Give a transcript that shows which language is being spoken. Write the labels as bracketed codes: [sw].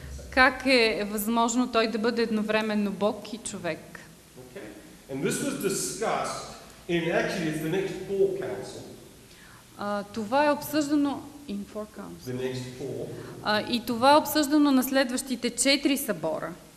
[bg] Как е възможно той да бъде едновременно Бог и човек? [en] And this was discussed in actually the next four councils. [bg] Това е обсъждано [en] in four councils. The next four. [bg] И това е обсъждано на следващите четири събора.